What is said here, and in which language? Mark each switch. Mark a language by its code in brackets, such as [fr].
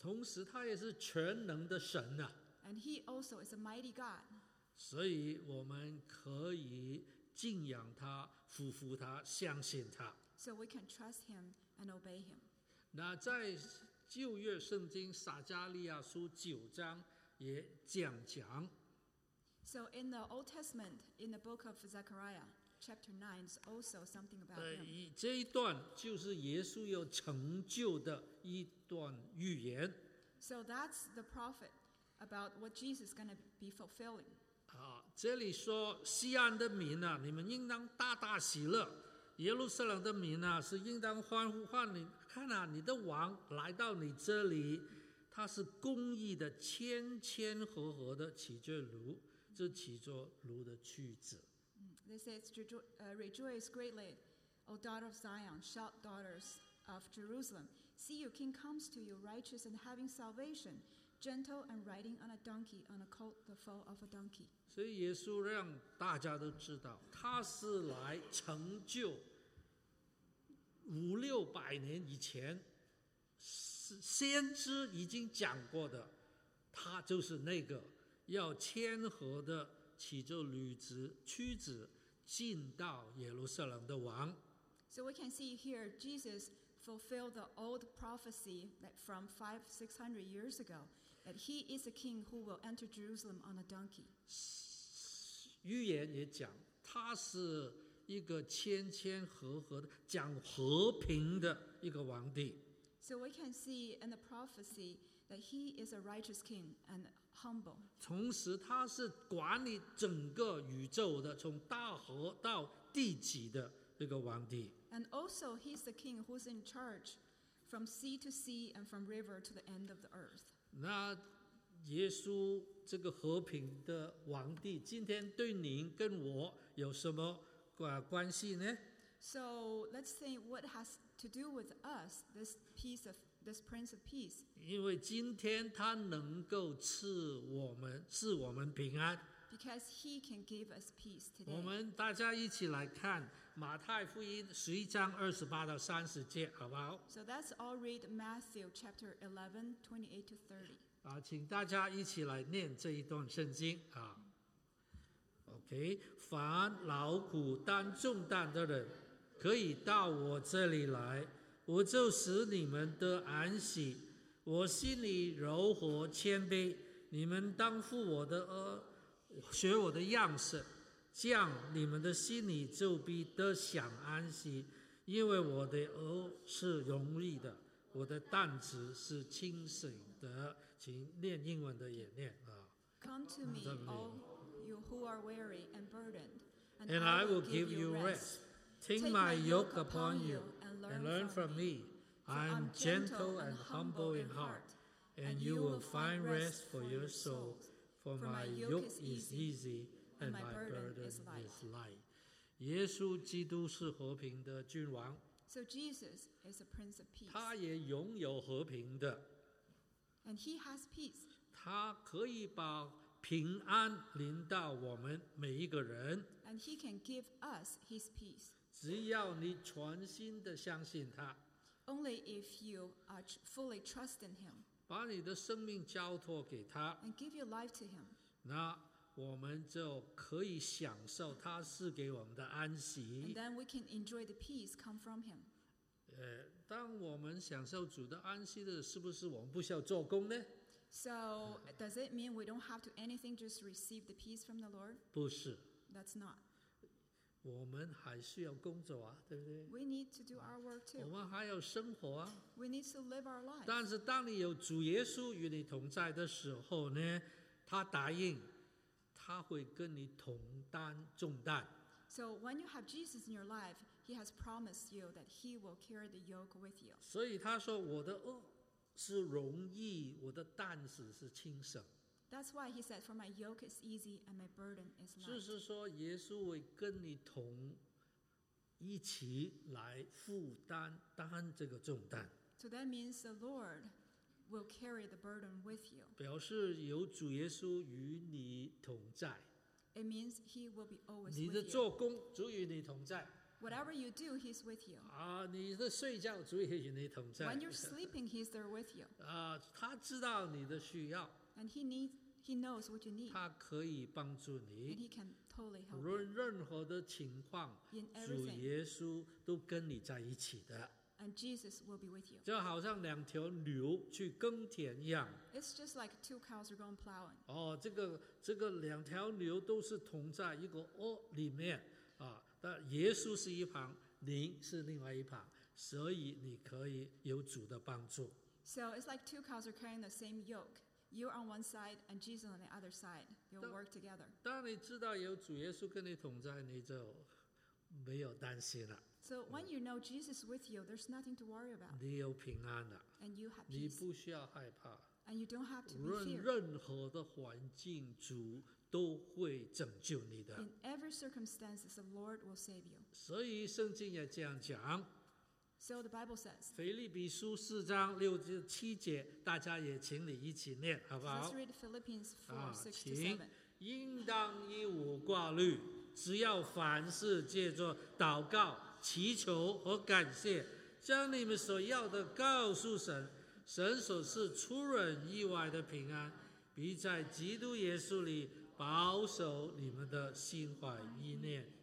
[zh] 同时他也是全能的神啊。 [en] And he also is a mighty God. [zh] 所以我们可以敬仰他，俯伏他，相信他。 [en] So we can trust him and obey him. [zh] 那在旧约圣经撒迦利亚书九章也讲讲。 [en] So in the Old Testament, in the book of Zechariah, Chapter 9 is also something about him. [zh] 这一段就是耶稣要成就的一段预言。 [en] So that's the prophet about what Jesus is going to be fulfilling. [zh] 这里说西安的民啊，你们应当大大喜乐，耶路撒冷的民啊，是应当欢呼欢迎。看啊，你的王来到你这里，他是公义的，谦谦和和的，骑着驴，这骑着驴的驹子。 [en] They say it's rejoice greatly, O daughter of Zion, shout daughters of Jerusalem. See, your king comes to you, righteous and having salvation, gentle and riding on a donkey, on a colt, the foal of a donkey. [zh] 所以耶稣让大家都知道，他是来成就五六百年以前先知已经讲过的，他就是那个要谦和的。骑着驴子驱子进到耶路撒冷的王。 [en] So we can see here Jesus fulfilled the old prophecy that from 500-600 years ago that he is a king who will enter Jerusalem on a donkey. [zh] 预言也讲他是一个谦谦和和的讲和平的一个王帝。 [en] So we can see in the prophecy that he is a righteous king and humble. [zh] 同时他是管理整个宇宙的，从大河到地极的那个王帝。 [en] And also he's the king who's in charge from sea to sea and from river to the end of the earth. [zh] 那耶稣这个和平的王帝今天对您跟我有什么关系呢？ [en] So let's say what has to do with us, this Prince of Peace. [zh] 因为今天他能够赐我们，赐我们平安。 [en] Because he can give us peace today. [zh] 我们大家一起来看马太福音十一章二十八到三十节，好不好？ [en] So let's all read Matthew chapter 11, 28 to 30. [zh] 请大家一起来念这一段圣经啊。OK， 凡劳苦担重担的人，可以到我这里来。我就使你们得安息，我心里柔和谦卑，你们当负我的学我的样式，这样你们的心里就必得享安息，因为我的轭是容易的，我的担子是轻省的。请念英文的也念啊。 [en] Come to me, all you who are weary and burdened, and I will give you rest. Take my yoke upon you and learn from me. I am gentle and humble in heart, and you will find rest for your soul. For my yoke is easy and my burden is light. [zh] 耶稣基督是和平的君王。 [en] So Jesus is a prince of peace. [zh] 他也拥有和平的。 [en] And he has peace. [zh] 他可以把平安临到我们每一个人。 [en] And he can give us his peace. [zh] 只要你全心的相信他。 [en] Only if you fully trust in him. [zh] 把你的生命交托给他。 [en] And give your life to him. [zh] 那我们就可以享受他赐给我们的安息。 [en] And then we can enjoy the peace come from him. [zh] 当我们享受主的安息的，是不是我们不需要做工呢？ [en] So does it mean we don't have to anything just receive the peace from the Lord? [zh] 不是。 [en] That's not. [zh] 我们还是要工作啊，对不对？ [en] We need to do our work too. [zh] 我们还要生活啊。 [en] We need to live our life. [zh] 但是当你有主耶稣与你同在的时候呢，他答应他会跟你同担重担。 [en] So when you have Jesus in your life, he has promised you that he will carry the yoke with you. [zh] 所以他说我的轭是容易，我的担子是轻省。 [en] That's why he said, for my yoke is easy and my burden is light. [zh] 就是说耶稣会跟你同一起来负担担这个重担。 [en] So that means the Lord will carry the burden with you. [zh] 表示有主耶稣与你同在。 [en] It means he will be always with you. [zh] 你的做工，主与你同在。 [en] Whatever you do, he's with you. [zh] 啊，你的睡觉，主也与你同在。 [en] When you're sleeping, he's there with you. [zh] 啊，他知道你的需要。 [en] And he knows what you need. [zh] 他可以帮助你。 [en] And he can totally help you. [zh] 无论任何的情况，主耶稣都跟你在一起的。 [en] And Jesus will be with you. [zh] 就好像两条牛去耕田一样。 [en] It's just like two cows are going plowing. [zh] 哦，这个两条牛都是同在一个轭里面啊。但耶稣是一旁，您是另外一旁，所以你可以有主的帮助。 [en] So it's like two cows are carrying the same yoke. You are on one side, and Jesus on the other side. You'll work together. [zh] 当你知道有主耶稣跟你同在，你就没有担心了。 [en] So when you know Jesus is with you, there's nothing to worry about. [zh] 你有平安了。 [en] And you have peace. [zh] 你不需要害怕。 [en] And you don't have to be fear. [zh] 任何的环境，主都会拯救你的。 [en] In every circumstance, the Lord will save you. [zh] 所以圣经也这样讲。 [en] So the Bible says. [zh] 腓立比书四章六至七节，大家也请你一起念，好不好？ [en] Let's read Philippians 4:6-7. [zh] 请，应当一无挂虑，只要凡事借着祷告、祈求和感谢，将你们所要的告诉神，神所赐出人意外的平安，必在基督耶稣里保守你们的心怀意念。